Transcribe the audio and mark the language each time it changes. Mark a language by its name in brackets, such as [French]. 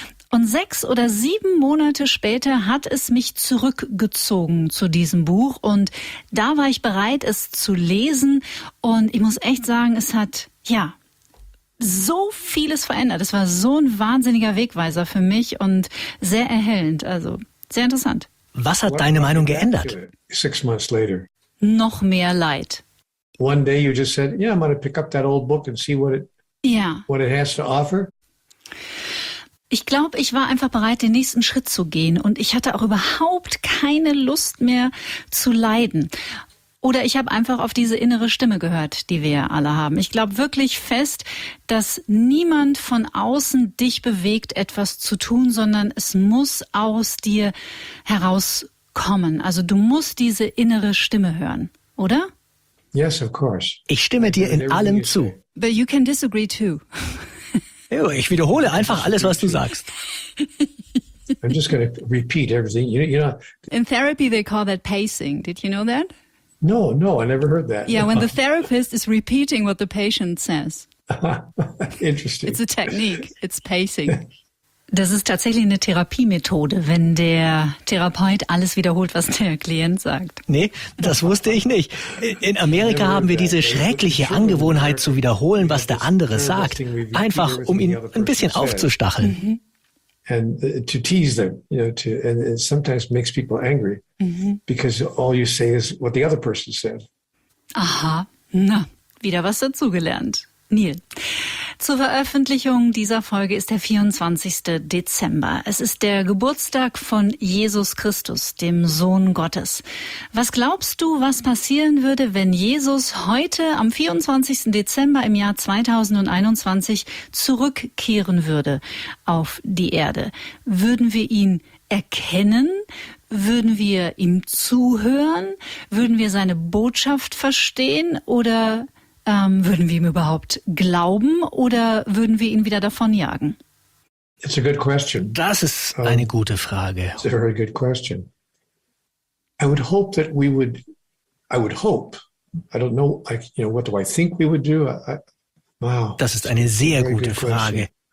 [German] Und 6 oder 7 Monate später hat es mich zurückgezogen zu diesem Buch und da war ich bereit, es zu lesen und ich muss echt sagen, es hat, ja, so vieles verändert. Es war so ein wahnsinniger Wegweiser für mich und sehr erhellend, also. Sehr interessant. Was hat deine Meinung geändert? [English] 6 months later. [German] Noch mehr Leid. [English] One day you just said, yeah, I'm going to pick up that old book and see what it has to offer. [German] Ich glaube, ich war einfach bereit, den nächsten Schritt zu gehen und ich hatte auch überhaupt keine Lust mehr zu leiden. Oder ich habe einfach auf diese innere Stimme gehört, die wir ja alle haben. Ich glaube wirklich fest, dass niemand von außen dich bewegt, etwas zu tun, sondern es muss aus dir herauskommen. Also du musst diese innere Stimme hören, oder? [English] Yes, of course. [German] Ich stimme dir in allem zu. [English] But you can disagree too. [German] Ja, ich wiederhole einfach alles, was du sagst. [English] I'm just going to repeat everything. You know, in therapy they call that pacing. Did you know that? No, I never heard that. Yeah, when the therapist is repeating what the patient says. Interesting. It's a technique. It's pacing. [German] Das ist tatsächlich eine Therapiemethode, wenn der Therapeut alles wiederholt, was der Klient sagt. Nee, das wusste ich nicht. In Amerika haben wir diese schreckliche Angewohnheit zu wiederholen, was der andere sagt, einfach um ihn ein bisschen aufzustacheln. [English] And to tease them, you know, to, and it sometimes makes people angry, because all you say is what the other person said. [German] Aha, na, wieder was dazugelernt. Neil, zur Veröffentlichung dieser Folge ist der 24. Dezember. Es ist der Geburtstag von Jesus Christus, dem Sohn Gottes. Was glaubst du, was passieren würde, wenn Jesus heute am 24. Dezember im Jahr 2021 zurückkehren würde auf die Erde? Würden wir ihn erkennen? Würden wir ihm zuhören? Würden wir seine Botschaft verstehen oder... würden wir ihm überhaupt glauben oder würden wir ihn wieder davonjagen? [English] It's a good question. [German] Das ist eine gute Frage. [English] It's a very good question. I would hope that we would. I would hope. I don't know. I, you know, what do I think we would do? Wow. [German] Das ist eine sehr gute Frage.